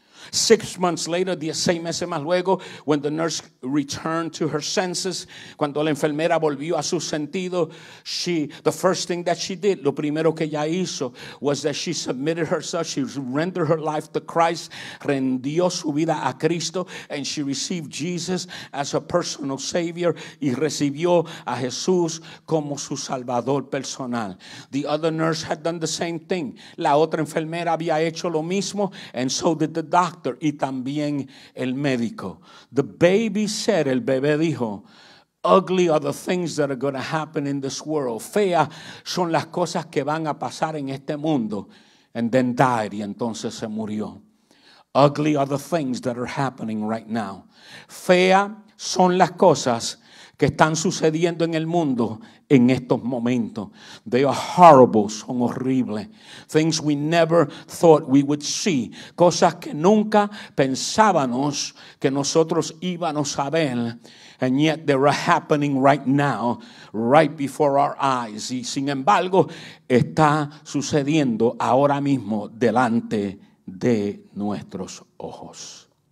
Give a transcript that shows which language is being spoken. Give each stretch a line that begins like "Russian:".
English: 6 months later,
Spanish: 16 meses más luego,
English: when the nurse returned to her senses,
Spanish: cuando la enfermera volvió a su sentido,
English: the first thing that she did,
Spanish: lo primero que ella hizo,
English: was that she submitted herself, she rendered her life to Christ,
Spanish: rendió su vida a Cristo,
English: and she received Jesus as a personal Savior,
Spanish: y recibió a Jesús como su Salvador personal.
English: The other nurse had done the same thing.
Spanish: La otra enfermera había hecho lo mismo,
English: and so did the doctor.
Spanish: Y también el médico.
English: The baby said,
Spanish: el bebé dijo,
English: ugly are the things that are going to happen in this world.
Spanish: Feas son las cosas que van a pasar en este mundo.
English: And then died.
Spanish: Y entonces se murió.
English: Ugly are the things that are happening right now.
Spanish: Feas son las cosas que están sucediendo en el mundo en estos momentos.
English: They are horrible,
Spanish: son horribles.
English: Things we never thought we would see.
Spanish: Cosas que nunca pensábamos que nosotros íbamos a ver.
English: And yet they are happening right now, right before our eyes.
Spanish: Y sin embargo, está sucediendo ahora mismo delante de nuestros ojos.